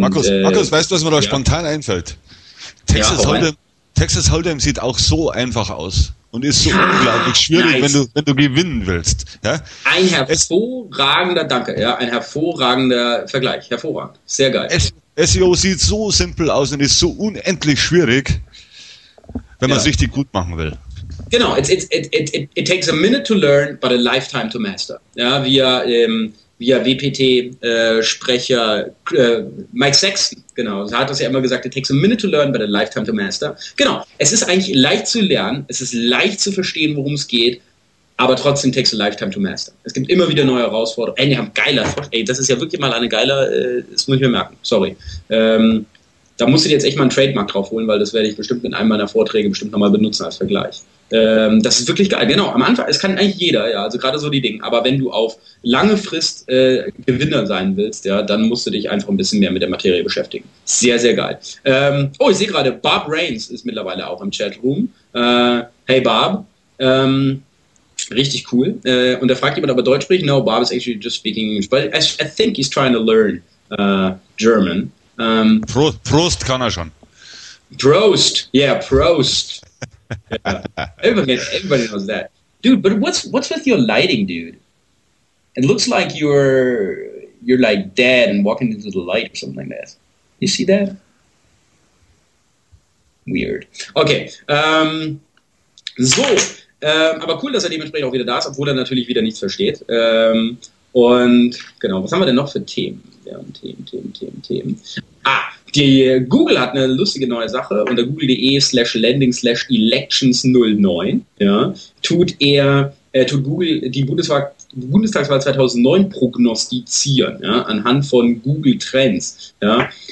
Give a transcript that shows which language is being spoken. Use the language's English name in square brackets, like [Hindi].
[German] Markus, weißt du, was mir da spontan einfällt? Texas Hold'em sieht auch so einfach aus und ist so unglaublich schwierig, wenn du gewinnen willst. Ja? Ein hervorragender, ein hervorragender Vergleich, hervorragend, sehr geil. SEO sieht so simpel aus und ist so unendlich schwierig, wenn man es richtig gut machen will. Genau, [English] it takes a minute to learn, but a lifetime to master. [German] Ja, via WPT-Sprecher Mike Sexton, genau, hat das ja immer gesagt, [English] it takes a minute to learn, but a lifetime to master. [German] Genau, es ist eigentlich leicht zu lernen, es ist leicht zu verstehen, worum es geht, aber trotzdem [English] takes a lifetime to master. [German] Es gibt immer wieder neue Herausforderungen. Ey, die haben geiler. Ey, das ist ja wirklich mal eine geiler. Das muss ich mir merken. Sorry. Da musst du dir jetzt echt mal einen Trademark drauf holen, weil das werde ich bestimmt in einem meiner Vorträge bestimmt nochmal benutzen als Vergleich. Das ist wirklich geil. Genau, am Anfang, es kann eigentlich jeder, ja. Also gerade so die Dinge. Aber wenn du auf lange Frist Gewinner sein willst, ja, dann musst du dich einfach ein bisschen mehr mit der Materie beschäftigen. Sehr, sehr geil. Ich sehe gerade, Barb Reigns ist mittlerweile auch im Chatroom. Hey, Barb. Richtig cool. Und da fragt jemand, ob er Deutsch spricht. [English] No, Barb is actually just speaking English. But I think he's trying to learn German. [German] Prost kann er schon. [English] Prost. Yeah, Prost. Everybody knows that. Dude, but what's with your lighting, dude? It looks like you're like dead and walking into the light or something like that. You see that? Weird. Okay. [German] Aber cool, dass er dementsprechend auch wieder da ist, obwohl er natürlich wieder nichts versteht. Was haben wir denn noch für Themen? Themen. Die Google hat eine lustige neue Sache. Unter google.de/landing/elections09 tut Google die Bundestagswahl 2009 prognostizieren, ja, anhand von Google Trends. Ja.